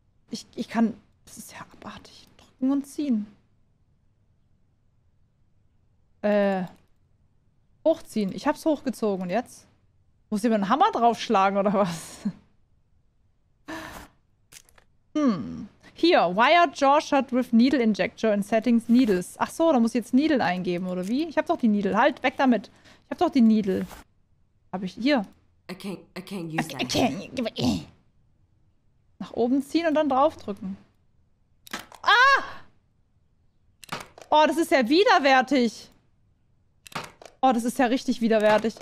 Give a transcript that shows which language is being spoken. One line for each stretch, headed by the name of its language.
German: Ich kann... Das ist ja abartig. Drücken und ziehen. Hochziehen. Ich hab's hochgezogen. Und jetzt? Muss ich mir einen Hammer draufschlagen oder was? Hier.
English: Wire jaw shut with needle injector in settings needles.
German: Ach so, da muss ich jetzt Needle eingeben, oder wie? Ich hab doch die Needle. Halt, weg damit. Ich hab doch die Needle. Hab ich hier.
English: I can't use that.
German: Nach oben ziehen und dann draufdrücken. Ah! Oh, das ist ja widerwärtig. Oh, das ist ja richtig widerwärtig.